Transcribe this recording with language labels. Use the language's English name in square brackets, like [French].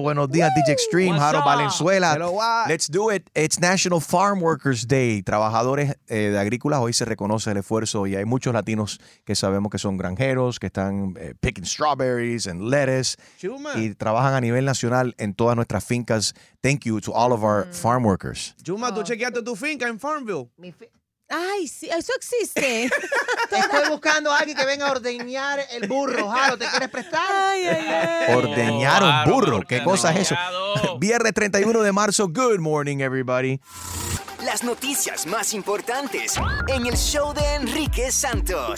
[Spanish] Buenos días, [English] DJ Extreme, Jaro Valenzuela. Let's do it. It's National Farm Workers Day. [Spanish] Trabajadores de agrícolas, hoy se reconoce el esfuerzo y hay muchos latinos que sabemos que son granjeros, que están [English] picking strawberries and lettuce. [Spanish] Chuma. Y trabajan a nivel nacional en todas nuestras fincas. [English] Thank you to all of our farm workers. [Spanish] Chuma, ¿tú chequeaste tu finca en Farmville? Ay, sí, eso existe. Estoy buscando a alguien que venga a ordeñar el burro. Jaro, ¿te quieres prestar? Ay. Ordeñar un burro, ¿qué cosa es eso? Viernes 31 de marzo. [English] Good morning, everybody. [Spanish] las noticias más importantes en el show de Enrique Santos.